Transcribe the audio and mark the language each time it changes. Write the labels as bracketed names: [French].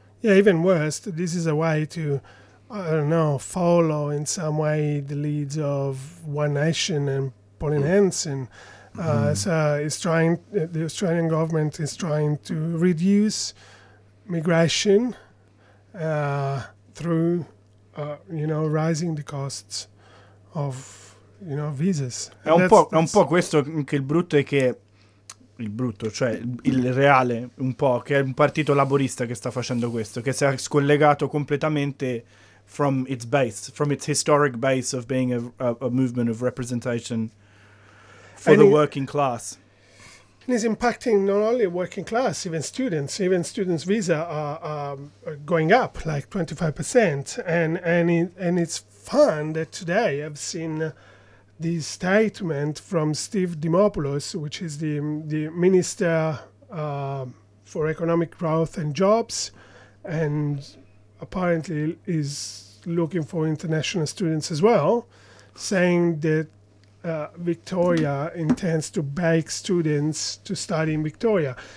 [English] Yeah, even worse, this is a way to, I don't know, follow in some way the leads of One Nation and Pauline Hanson. The Australian government is trying to reduce migration through, rising the costs of, you know, visas. [Italian] È un po' questo che il brutto è che il brutto, cioè il reale, un po', che è un partito laborista che sta facendo questo, che si è scollegato completamente [English] from its base, from its historic base of being a movement of representation for the working class. And it's impacting not only working class, even students. Even students' visa are going up like 25%. And it's fun that today I've seen the statement from Steve Dimopoulos, which is the Minister for Economic Growth and Jobs, and apparently is looking for international students as well, saying that Victoria intends to beg students to study in Victoria.